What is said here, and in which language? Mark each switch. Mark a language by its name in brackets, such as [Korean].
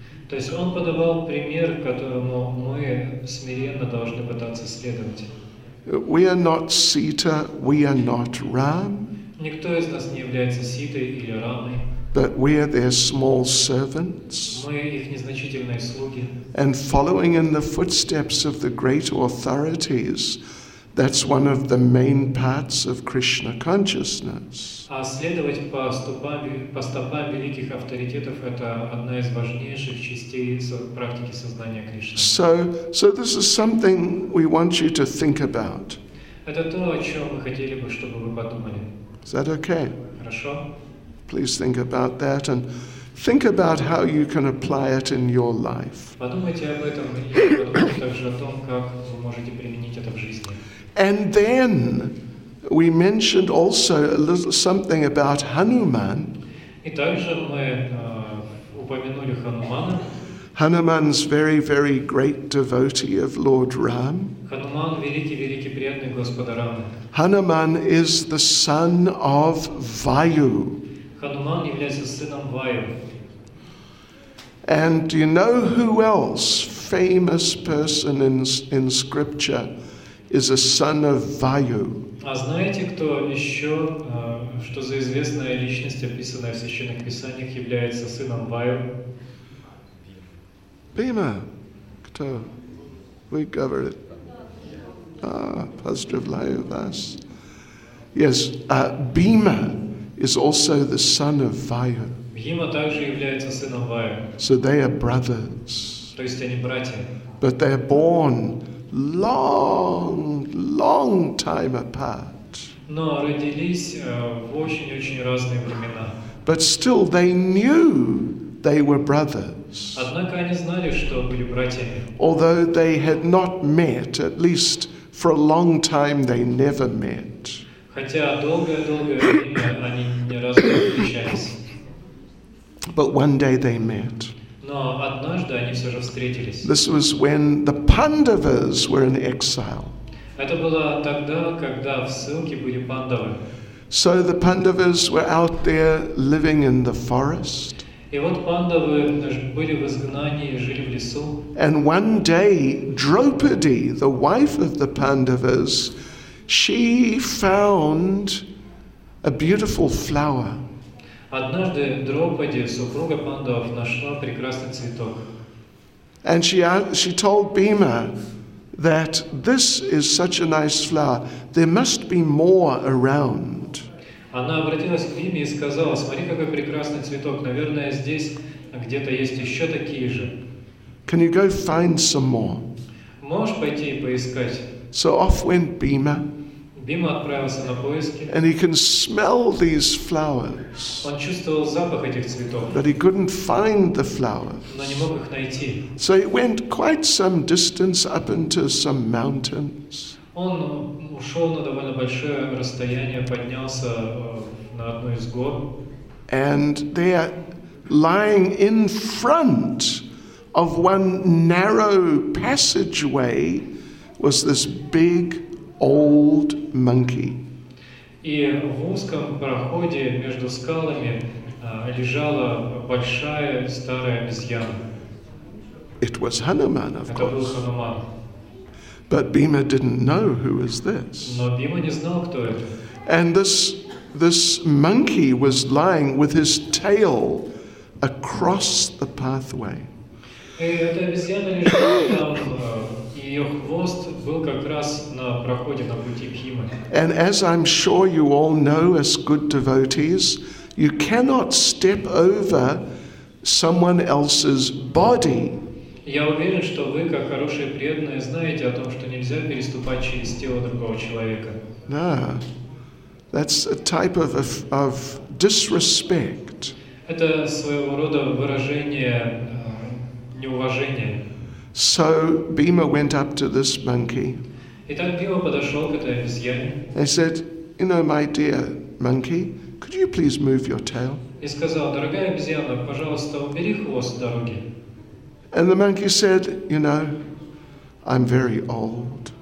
[Russian] То есть он подавал пример, которому мы смиренно должны пытаться следовать. [English] We are not Sita, we are not Ram. [Russian] Никто из нас не является Ситой или Рамой. [English] But we are their small servants. [Russian] Мы их незначительные слуги. [English] And following in the footsteps of the great authorities, that's one of the main parts of Krishna consciousness. [Russian] А следовать по стопам великих авторитетов – это одна из важнейших частей практики сознания Кришны. [English] So this is something we want you to think about. [Russian] Это то, о чем мы хотели бы, чтобы вы подумали. [English] Is that okay? [Russian] Хорошо. [English] Please think about that and think about how you can apply it in your life. [Russian] Подумайте об этом и подумайте также о том, как вы можете применить это в жизни. [English] And then we mentioned also a little something about Hanuman. [Russian] И также мы упомянули Хануманы. [English] Hanuman's very, very great devotee of Lord Ram. [Russian] Хануман великий, великий преданный Господа Рамы. [English] Hanuman is the son of Vayu. [Russian] Хануман является сыном Ваю. [English] And do you know who else famous person in scripture is a son of Vayu. [Russian] А знаете, кто еще, что за известная личность, описанная в священных писаниях, является сыном Ваю? Бима, кто? Вы говорите? А, поздравляю вас. [English] Yes, Bhima is also the son of Vayu. [Russian] Bhima также является сыном Ваю. [English] So they are brothers. [Russian] То есть они братья. [English] But they are born long, long time apart. [Russian] Но родились в очень-очень разные времена. [English] But still they knew they were brothers. [Russian] Однако они знали, что были братьями. [English] Although they had not met, at least for a long time they never met. [Russian] Хотя долгое-долгое время они ни разу не встречались. [English] But one day they met. [Russian] Но однажды они все же встретились. [English] This was when the Pandavas were in exile. [Russian] Это было тогда, когда в ссылке были пандавы. [English] So the Pandavas were out there living in the forest. [Russian] И вот пандавы были в изгнании и жили в лесу. [English] And one day Draupadi, the wife of the Pandavas, she found a beautiful flower. [Russian] Однажды Дропади, супруга пандавов, нашла прекрасный цветок. [English] And she told Bhima that this is such a nice flower. There must be more around. [Russian] Она обратилась к Бхиме и сказала: "Смотри, какой прекрасный цветок. Наверное, здесь где-то есть еще такие же." [English] Can you go find some more? [Russian] Можешь пойти и поискать? [English] So off went Bhima. [Russian] Bhima отправился на поиски. [English] And he can smell these flowers. [Russian] Он чувствовал запах этих цветов. [English] But he couldn't find the flowers. [Russian] Но не мог их найти. [English] So he went quite some distance up into some mountains. [Russian] Он ушел на довольно большое расстояние, поднялся на одну из гор. [English] And there, lying in front of one narrow passageway, was this big old monkey. [Russian] И в узком проходе между скалами лежала большая старая обезьяна. [English] It was Hanuman, of course. [Russian] Это был Хануман. [English] But Bhima didn't know who was this. [Russian] Но Бхима не знал, кто это. [English] And this monkey was lying with his tail across the pathway. [Russian] И эта обезьяна лежала там. Ее хвост был как раз на проходе на пути Бхимы. [English] And as I'm sure you all know, as good devotees, you cannot step over someone else's body. [Russian] Я уверен, что вы, как хорошие преданные, знаете о том, что нельзя переступать через тело другого человека. [English] No, that's a type of disrespect. [Russian] Это своего рода выражение неуважения. [English] So Bhima went up to this monkey. [Russian] Итак, Бхима подошел к этой обезьяне. [English] And said, "You know, my dear monkey, could you please move your tail?" [Russian] И сказал: "Дорогая обезьяна, пожалуйста, убери хвост с дороги." [English] And the monkey said, "You know, I'm very old."